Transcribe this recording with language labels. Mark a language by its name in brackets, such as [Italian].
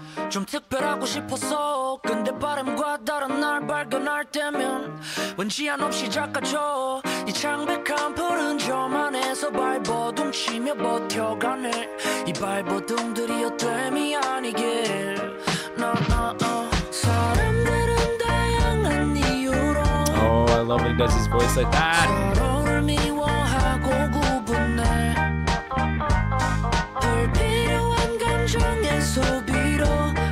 [Korean] 좀 특별하고 싶었어 근데 바람과 다른 날 발견할 때면 왠지 한없이 작아져 이 창백한 푸른 점 안에서 발버둥 치며 버텨가네 이 발버둥들이 어땠미 아니길 나 사람들은 다양한 이유로 [English] Oh, I love when he does his voice like that [Korean] 서로를 미워하고 구분해 불필요한 감정의 소비로